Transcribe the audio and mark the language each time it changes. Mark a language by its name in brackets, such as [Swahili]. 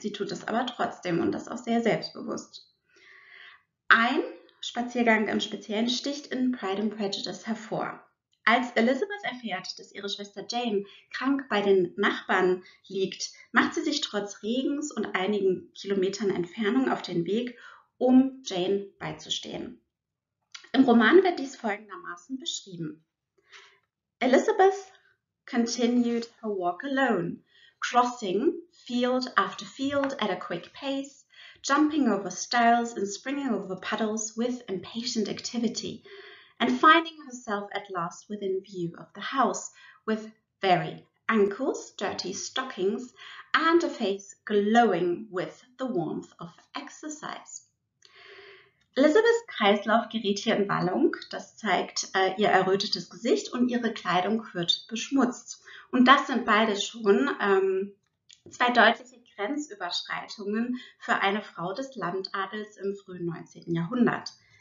[German] Sie tut es aber trotzdem und das auch sehr selbstbewusst. Ein Spaziergang im Speziellen sticht in Pride and Prejudice hervor. Als Elizabeth erfährt, dass ihre Schwester Jane krank bei den Nachbarn liegt, macht sie sich trotz Regens und einigen Kilometern Entfernung auf den Weg, um Jane beizustehen. Im Roman wird dies folgendermaßen beschrieben. [English] Elizabeth continued her walk alone, crossing field after field at a quick pace, jumping over stiles and springing over puddles with impatient activity, and finding herself at last within view of the house with very ankles, dirty stockings, and a face glowing with the warmth of exercise. [German] Elizabeths Kreislauf geriet hier in Wallung. Das zeigt ihr errötetes Gesicht und ihre Kleidung wird beschmutzt. Und das sind beide schon zwei deutliche Grenzüberschreitungen für eine Frau des Landadels im frühen 19. Jahrhundert.